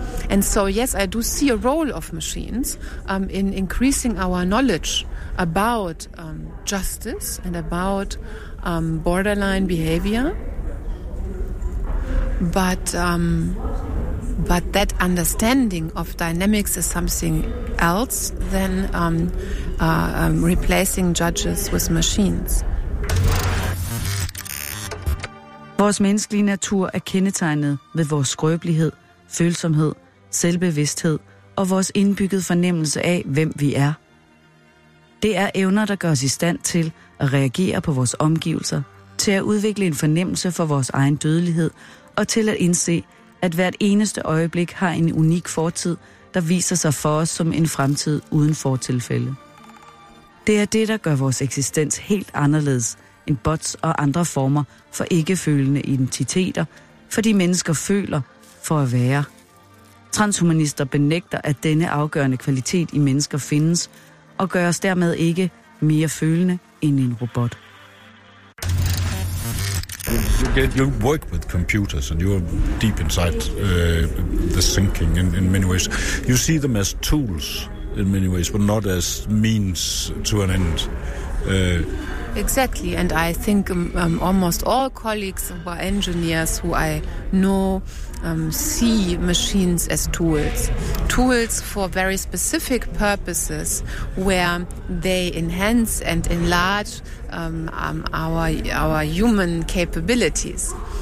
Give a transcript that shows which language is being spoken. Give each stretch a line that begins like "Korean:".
English: And so, yes, I do see a role of machines in increasing our knowledge about justice and about borderline behavior. But that understanding of dynamics is something else than replacing judges with machines.
Danish: Vores menneskelige natur er kendetegnet ved vores skrøbelighed, følsomhed, selvbevidsthed og vores indbyggede fornemmelse af, hvem vi er. Det er evner, der gør os i stand til at reagere på vores omgivelser, til at udvikle en fornemmelse for vores egen dødelighed og til at indse, at hvert eneste øjeblik har en unik fortid, der viser sig for os som en fremtid uden fortilfælde. Det er det, der gør vores eksistens helt anderledes end bots og andre former for ikke-følende identiteter, fordi mennesker føler for at være. Transhumanister benægter, at denne afgørende kvalitet i mennesker findes, og gør os dermed ikke mere følende end en robot.
English: You work with computers, and you're deep inside the thinking in many ways. You see them as tools in many ways, but not as means to an end. Exactly, and I think almost all colleagues or engineers who I know see machines as tools for very specific purposes where they enhance and enlarge our human capabilities.